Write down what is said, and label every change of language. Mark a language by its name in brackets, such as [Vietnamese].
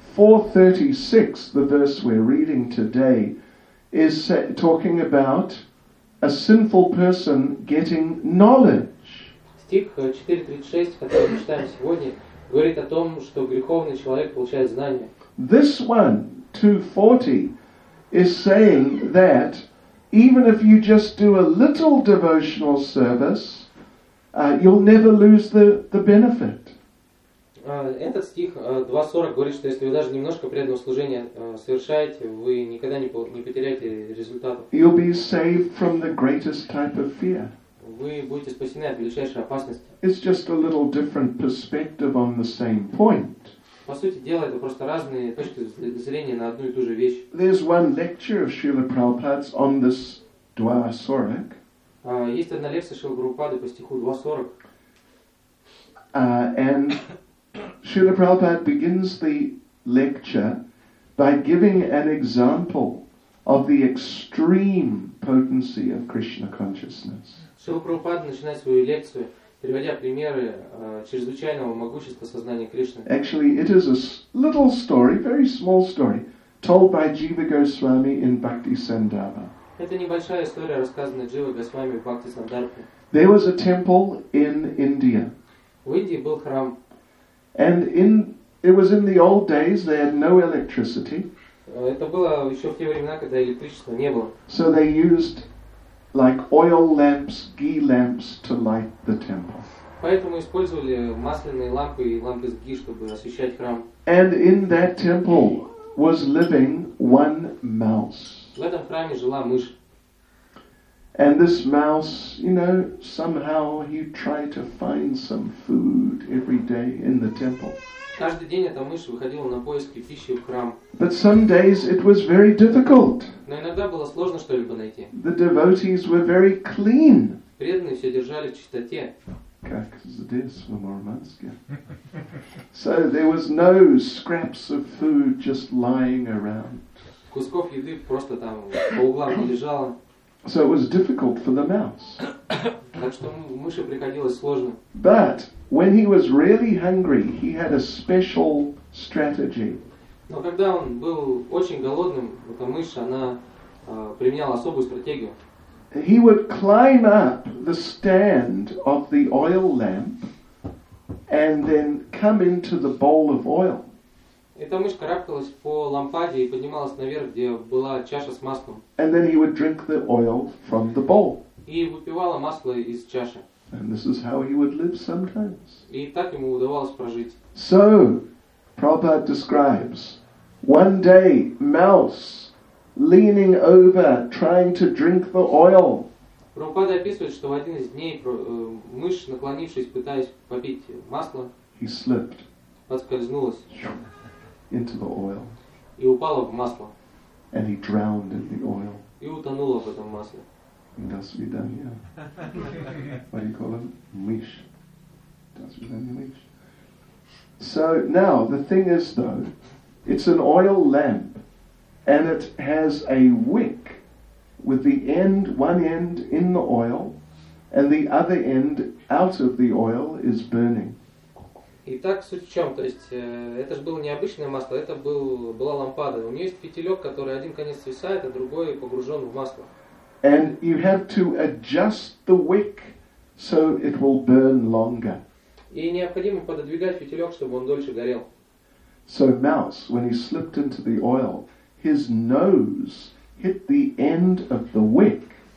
[English] 4:36, the verse we're reading today, is talking about a sinful person getting knowledge. [Russian] Стих 4:36, который мы читаем сегодня, говорит о том, что греховный человек получает знание. [English] This one, 2:40, is saying that even if you just do a little devotional service, you'll never lose the benefit. [Russian] Этот стих 2:40 говорит, что если вы даже немножко преданного служения совершаете, вы никогда не потеряете результатов. [English] You'll be saved from the greatest type of fear. [Russian] Вы будете спасены от величайшей опасности. [English] It's just a little different perspective on the same point. [Russian] По сути дела, это просто разные точки зрения на одну и ту же вещь. [English] There's one lecture of Srila Prabhupada's on this 2:40. [Russian] Есть одна лекция Шрилы Прабхупады по стиху 2:40. [English] And Srila Prabhupada begins the lecture by giving an example of the extreme potency of Krishna consciousness. [Russian] Srila Prabhupada начинает свою лекцию, приводя примеры чрезвычайного могущества сознания Кришны. [English] Actually, it is a little story, very small story, told by Jiva Goswami in Bhakti Sandarbha. [Russian] Это небольшая история, рассказанная Джива Госвами в Бхакти Сандарбхе. [English] There was a temple in India. [Russian] В Индии был храм. [English] And it was in the old days, they had no electricity. [Russian] Это было еще в те времена, когда электричества не было. [English] So they used like oil lamps, ghee lamps to light the temple. [Russian] Поэтому использовали масляные лампы и лампы с ги, чтобы освещать храм. [English] And in that temple was living one mouse. [Russian] В этом храме жила мышь. [English] And this mouse, you know, somehow he tried to find some food every day in the temple. [Russian] Каждый день эта мышь выходила на поиски пищи в храм. [English] But some days it was very difficult. [Russian] Но иногда было сложно что-либо найти. [English] The devotees were very clean. [Russian] Преданные все держали в чистоте. Как здесь, в Мурманске. [English] So there was no scraps of food just lying around. [Russian] Кусков еды просто там по углам не лежало. [English] So it was difficult for the mouse. [Russian] Так что мыши приходилось сложно. [English] But when he was really hungry, he had a special strategy. [Russian] Но когда он был очень голодным, эта мышь, она применяла особую стратегию. [English] He would climb up the stand of the oil lamp and then come into the bowl of oil. [Russian] Эта мышь карабкалась по лампаде и поднималась наверх, где была чаша с маслом. [English] And then he would drink the oil from the bowl. [Russian] И выпивала масло из чаши. [English] And this is how he would live sometimes. [Russian] И так ему удавалось прожить. [English] So, Prabhupada describes, one day, mouse, leaning over, trying to drink the oil. [Russian] Прабхупада описывает, что в один из дней мышь, наклонившись, пытаясь попить масло, [English] he slipped. [Russian] Подскользнулась. [English] Into the oil. [Russian] И упало в масло. [English] And he drowned in the oil. [Russian] И утонуло в этом масле. До свидания. [English] What do you call him? [Russian] Миш. До свидания, Миш. [English] So now, the thing is though, it's an oil lamp. and it has a wick with the end, one end in the oil, and the other end out of the oil is burning. [Russian] Итак, суть в чем? То есть это же было не обычное масло, это была лампада. У нее есть фитилек, который один конец свисает, а другой погружен в масло. [English] And you have to adjust the wick so it will burn longer. [Russian] И необходимо пододвигать фитилек, чтобы он дольше горел. [English] So Mouse, when he slipped into the oil, his nose hit the end of the wick.